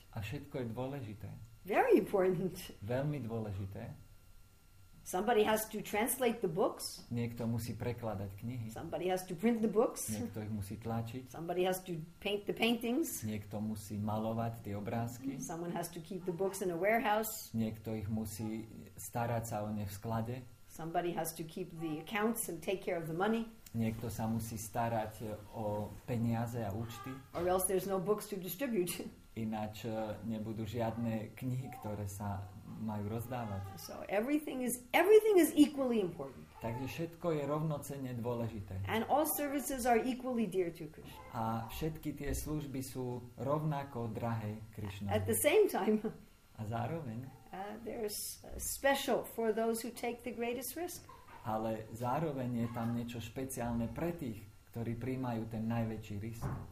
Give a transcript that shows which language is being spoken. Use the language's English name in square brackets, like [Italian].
[Slovak] A všetko je dôležité. [English] Very important. [Slovak] Veľmi dôležité. [English] Somebody has to translate the books. [Slovak] Niekto musí prekladať knihy. [English] Somebody has to print the books. [Slovak] Niekto ich musí tlačiť. [English] Somebody has to paint the paintings. [Slovak] Niekto musí malovať tie obrázky. [English] Someone has to keep the books in a warehouse. [Slovak] Niekto ich musí starať sa o ne v sklade. [English] Somebody has to keep the accounts and take care of the money. [Slovak] Niekto sa musí starať o peniaze a účty. [English] Or else there's no books to distribute. [Slovak] Ináč nebudú žiadne knihy, ktoré sa majú rozdávať. [English] So everything is equally important. [Slovak] Takže všetko je rovnocenne dôležité. [English] And all services are equally dear to Krishna. [Slovak] A všetky tie služby sú rovnako drahé Krishna. [English] At the same time. [Slovak] A zároveň. [English] There's special for those who take the greatest risk. [Slovak] Ale zároveň je tam niečo špeciálne pre tých, ktorí prijímajú ten najväčší risk.